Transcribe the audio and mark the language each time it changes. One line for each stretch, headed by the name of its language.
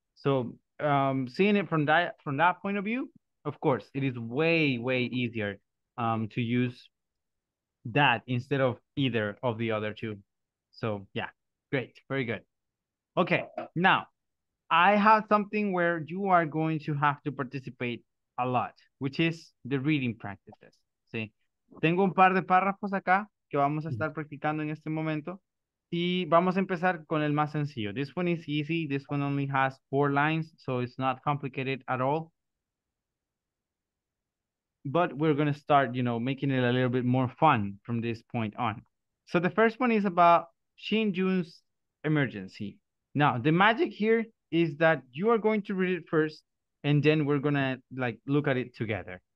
English: So seeing it from that point of view, of course, it is way, way easier to use that instead of either of the other two. So yeah, great, very good. Okay, now I have something where you are going to have to participate a lot, which is the reading practices.
Spanish: Sí. Tengo un par de párrafos acá que vamos a estar practicando en este momento y vamos a empezar con el más sencillo.
English: This one is easy. This one only has four lines, so it's not complicated at all. But we're going to start, making it a little bit more fun from this point on. So the first one is about Shin Jun's emergency. Now, the magic here is that you are going to read it first, and then we're gonna look at it together.